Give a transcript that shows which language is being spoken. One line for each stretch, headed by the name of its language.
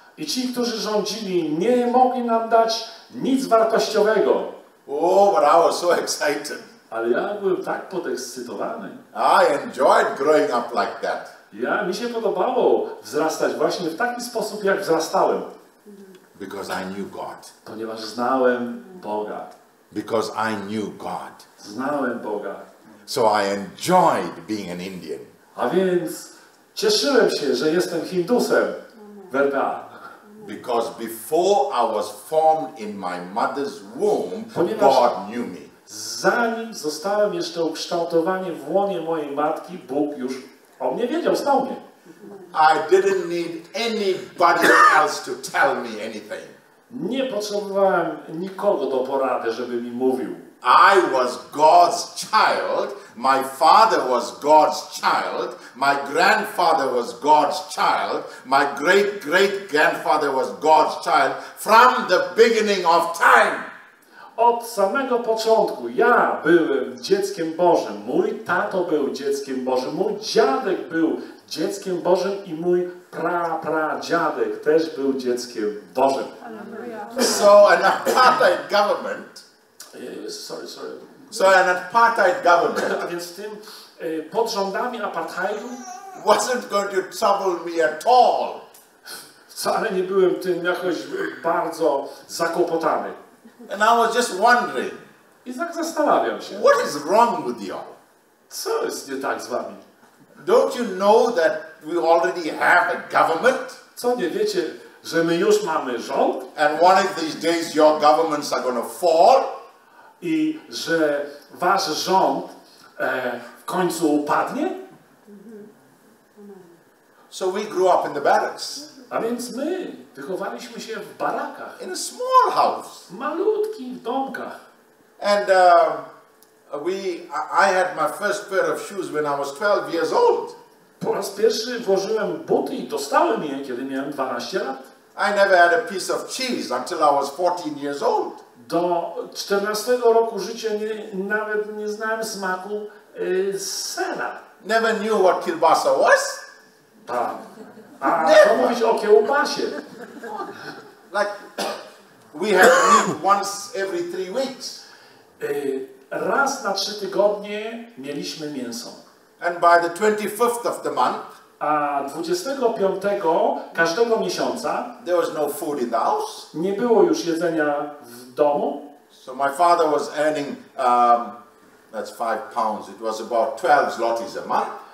Polish: I ci, którzy rządzili, nie mogli nam dać nic wartościowego.
English: Oh, but I was so excited.
Polish: Ale ja byłem tak podekscytowany.
English: I enjoyed growing up like that.
Polish: Ja, mi się podobało wzrastać właśnie w taki sposób, jak wzrastałem.
English: Because I knew God.
Polish: Ponieważ znałem Boga.
English: Because I knew God.
Polish: Znałem Boga.
English: So I enjoyed being an Indian.
Polish: A więc cieszyłem się, że jestem Hindusem. Verga.
English: Because before I was formed in my mother's womb,
Polish: ponieważ
English: God knew me.
Polish: Zanim zostałem jeszcze ukształtowany w łonie mojej matki, Bóg już o mnie wiedział, znał mnie.
English: I didn't need anybody else to tell me anything.
Polish: Nie potrzebowałem nikogo do porady, żeby mi mówił.
English: I was God's child, my father was God's child, my grandfather was God's child, my great-great-grandfather was God's child from the beginning of time.
Polish: Od samego początku ja byłem dzieckiem Bożym, mój tato był dzieckiem Bożym, mój dziadek był dzieckiem Bożym i mój pra-pra-dziadek też był dzieckiem Bożym.
English: So an apartheid government. So an apartheid government.
Polish: A więc tym pod rządami apartheidu
English: wasn't going to trouble me at all.
Polish: Wcale nie byłem tym jakoś bardzo zakłopotany.
English: And I was just wondering.
Polish: I tak zastanawiam się.
English: What is wrong with y'all?
Polish: Co jest nie tak z wami?
English: Don't you know that we already have a government?
Polish: Co nie wiecie, że my już mamy rząd?
English: And one of these days your governments are going to fall.
Polish: I że wasz rząd w końcu upadnie?
English: So we grew up in the barracks.
Polish: A więc my wychowaliśmy się w barakach.
English: In a small house.
Polish: W malutkich domkach.
English: And I had my first pair of shoes when I was 12 years old.
Polish: Po raz pierwszy włożyłem buty i dostałem je, kiedy miałem 12 lat.
English: I never had a piece of cheese until I was 14 years old.
Polish: Do 14 roku życia nawet nie znałem smaku sera.
English: Never knew what kielbasa was.
Polish: Tak. A co mówić o kiełbasie?
English: Like we had meat once every 3 weeks.
Polish: Raz na 3 tygodnie mieliśmy mięso.
English: And by the 25th of the month.
Polish: A 25 każdego miesiąca.
English: There was no food in the house.
Polish: Nie było już jedzenia w domu.
English: So my father was earning that's 5 pounds. It was about 12 zlotys a month.